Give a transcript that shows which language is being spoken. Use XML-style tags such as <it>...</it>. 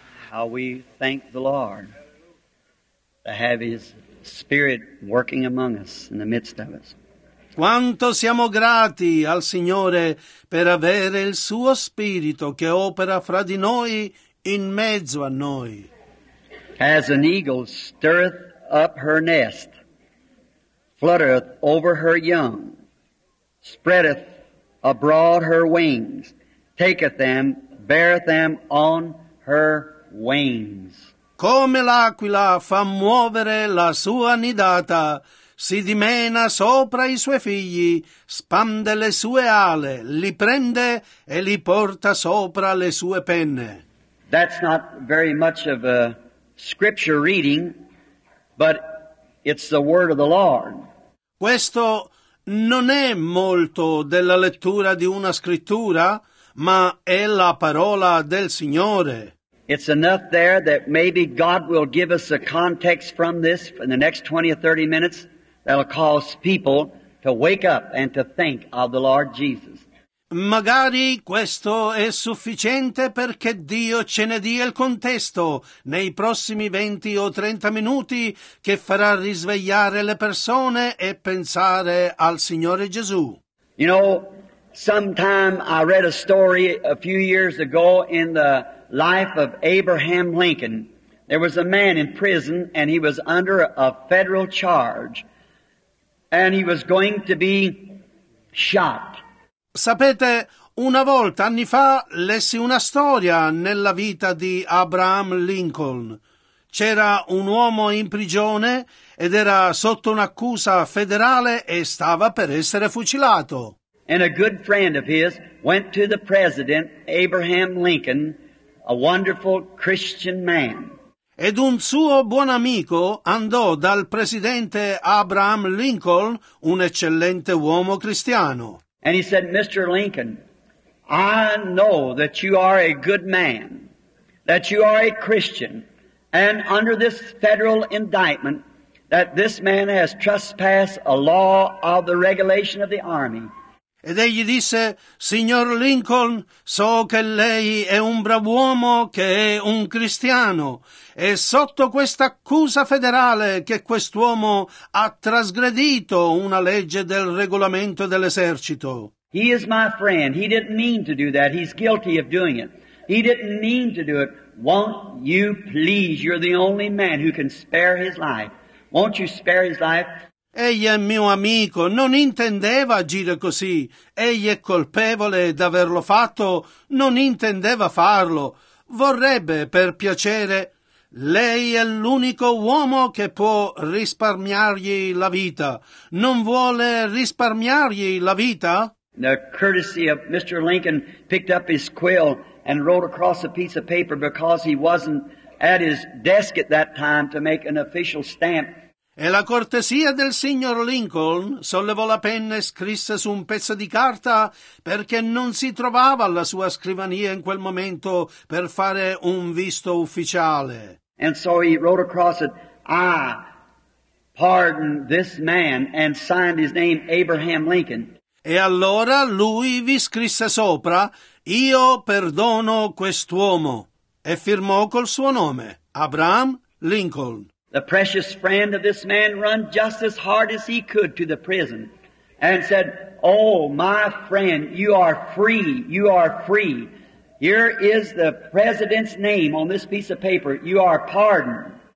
<en>How we thank the Lord to have His Spirit working among us in the midst of us.</en> <it>Quanto siamo grati al Signore per avere il Suo Spirito che opera fra di noi in mezzo a noi.</it> <en>As an eagle stirreth up her nest, fluttereth over her young, spreadeth abroad her wings, taketh them, beareth them on her wings.</en> <it>Come l'aquila fa muovere la sua nidata, si dimena sopra i suoi figli, spande le sue ali, li prende e li porta sopra le sue penne.</it> <en>That's not very much of a scripture reading, but it's the word of the Lord.</en> <it>Questo non è molto della lettura di una scrittura, ma è la parola del Signore.</it> <en>It's enough there that maybe God will give us a context from this in the next 20 or 30 minutes that'll cause people to wake up and to think of the Lord Jesus.</en> <it>Magari questo è sufficiente perché Dio ce ne dia il contesto nei prossimi 20 o 30 minuti che farà risvegliare le persone e pensare al Signore Gesù.</it> <en>You know, sometime I read a story a few years ago in the life of Abraham Lincoln. There was a man in prison and he was under a federal charge and he was going to be shot.</en> <it>Sapete, una volta, anni fa, lessi una storia nella vita di Abraham Lincoln. C'era un uomo in prigione ed era sotto un'accusa federale e stava per essere fucilato.</it> <en>And a good friend of his went to the president, Abraham Lincoln, a wonderful Christian man.</en> <it>Ed un suo buon amico andò dal presidente Abraham Lincoln, un eccellente uomo cristiano.</it> <en>And he said, Mr. Lincoln, I know that you are a good man, that you are a Christian, and under this federal indictment that this man has trespassed a law of the regulation of the army.</en> <it>Ed egli disse, Signor Lincoln, so che lei è un bravo uomo, che è un cristiano, e sotto questa accusa federale che quest'uomo ha trasgredito una legge del regolamento dell'esercito.</it> <en>He is my friend. He didn't mean to do that. He's guilty of doing it. He didn't mean to do it. Won't you please, you're the only man who can spare his life. Won't you spare his life?</en> <it>Egli è mio amico, non intendeva agire così. Egli è colpevole d'averlo fatto, non intendeva farlo. Vorrebbe, per piacere, lei è l'unico uomo che può risparmiargli la vita. Non vuole risparmiargli la vita?</it> <en>The courtesy of Mr. Lincoln picked up his quill and wrote across a piece of paper because he wasn't at his desk at that time to make an official stamp.</en> <it>E la cortesia del signor Lincoln sollevò la penna e scrisse su un pezzo di carta perché non si trovava alla sua scrivania in quel momento per fare un visto ufficiale.</it> <en>And so he wrote across it, I pardon this man, and signed his name Abraham Lincoln.</en> <it>E allora lui vi scrisse sopra, io perdono quest'uomo, e firmò col suo nome, Abraham Lincoln.</it> <en>The precious friend of this man ran just as hard as he could to the prison and said, Oh, my friend, you are free, you are free. Here is the president's name on this piece of paper, you are pardoned.</en>